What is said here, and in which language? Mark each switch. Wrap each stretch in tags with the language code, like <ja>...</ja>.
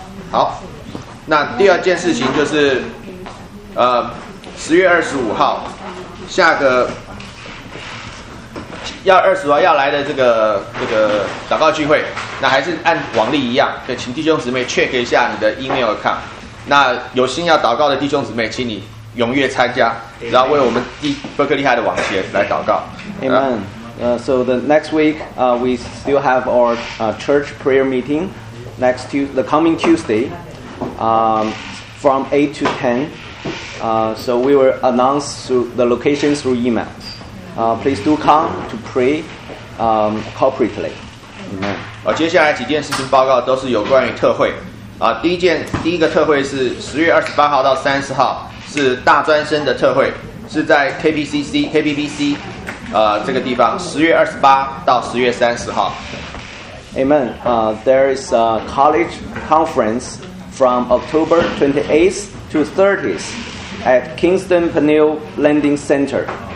<zh>好，那第二件事情就是，10月25号，下个要20号要来的这个祷告聚会，那还是按往例一样，对，请弟兄姊妹 check 一下你的 email account。那有心要祷告的弟兄姊妹，请你踊跃参加，然后为我们伯克利海的往前来祷告。</zh> <en>Amen. So the next week, we still have our church prayer meeting next Tuesday, the coming Tuesday, from 8 to 10. So we will announce the location through email. Please do come to pray corporately. Amen.</en> <zh>接下来几件事情报告都是有关于特会。第一个特会是10月28号到30号，是大专生的特会，是在 KBBC 这个地方，10月28到10月30号。</zh> <en>Amen. There is a college conference from October 28th to 30th. At Kingston Peniel Landing Center.</en>